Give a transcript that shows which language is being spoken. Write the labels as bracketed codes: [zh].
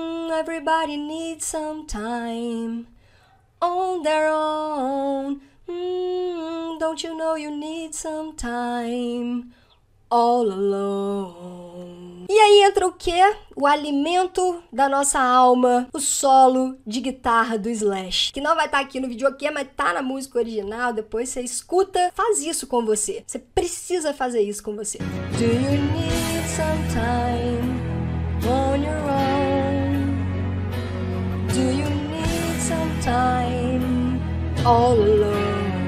[en] Everybody needs some time on their own. Don't you know you need some time all alone? [pt] E aí entra o quê? O alimento da nossa alma, o solo de guitarra do Slash. Que não vai estar aqui no vídeo aqui, mas tá na música original, depois você escuta. Faz isso com você. Você precisa fazer isso com você. [en] Do you need some time on your own? Do you need some time all alone?